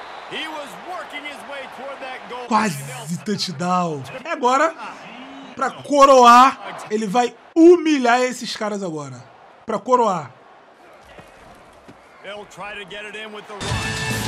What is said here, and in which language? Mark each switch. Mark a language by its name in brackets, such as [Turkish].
[English] He was working his way toward that goal. [Portuguese] Quase touchdown. E agora, pra coroar, ele vai humilhar esses caras agora. Pra coroar. [English] He'll try to get it in with the run.